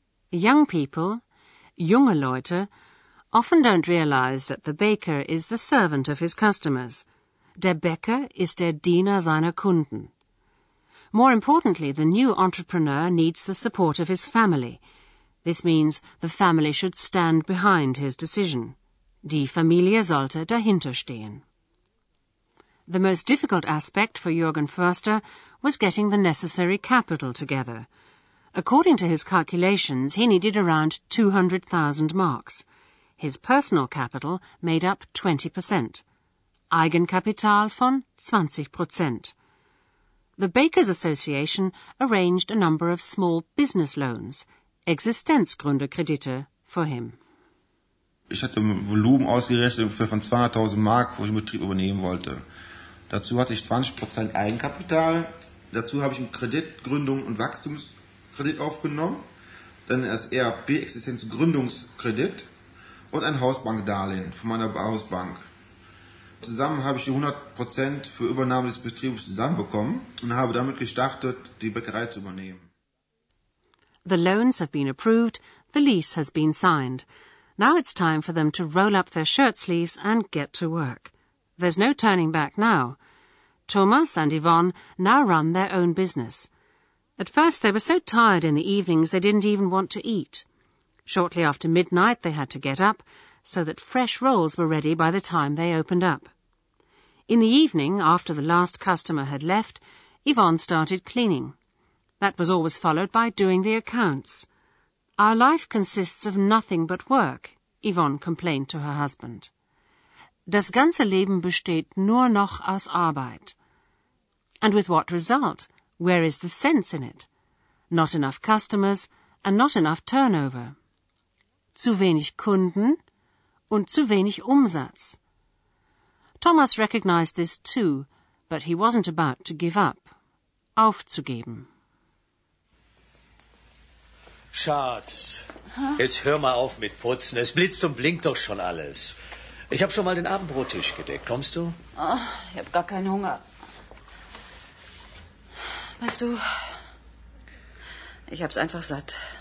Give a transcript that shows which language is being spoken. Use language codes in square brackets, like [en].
[en] Young people, [de] junge Leute, [en] often don't realize that the baker is the servant of his customers. [de] Der Bäcker ist der Diener seiner Kunden. [en] More importantly, the new entrepreneur needs the support of his family. This means the family should stand behind his decision. [de] Die Familie sollte dahinter stehen. [en] The most difficult aspect for Jürgen Förster was getting the necessary capital together. According to his calculations, he needed around 200,000 marks. His personal capital made up 20%. [de] Eigenkapital von 20%. [en] The Bakers Association arranged a number of small business loans, Existenzgründerkredite, for him. [de] Ich hatte ein Volumen ausgerechnet von 200.000 Mark, wo ich den Betrieb übernehmen wollte. Dazu hatte ich 20% Eigenkapital. Dazu habe ich einen Kredit, Gründung und Wachstumskredit aufgenommen. Dann das ERP, Existenzgründungskredit. Und ein Hausbankdarlehen von meiner Hausbank. Zusammen habe ich die 100% für Übernahme des Betriebs zusammenbekommen und habe damit gestartet, die Bäckerei zu übernehmen. [en] The loans have been approved, the lease has been signed. Now it's time for them to roll up their shirt sleeves and get to work. There's no turning back now. Thomas and Yvonne now run their own business. At first they were so tired in the evenings they didn't even want to eat. Shortly after midnight they had to get up, so that fresh rolls were ready by the time they opened up. In the evening, after the last customer had left, Yvonne started cleaning. That was always followed by doing the accounts. "Our life consists of nothing but work," Yvonne complained to her husband. [de] "Das ganze Leben besteht nur noch aus Arbeit." [en] And with what result? Where is the sense in it? Not enough customers and not enough turnover. [de] Zu wenig Kunden und zu wenig Umsatz. [en] Thomas recognized this too, but he wasn't about to give up. [de] Aufzugeben. Schatz, jetzt hör mal auf mit Putzen. Es blitzt und blinkt doch schon alles. Ich hab schon mal den Abendbrottisch gedeckt. Kommst du? Ach, ich hab gar keinen Hunger. Weißt du, Ich hab's einfach satt.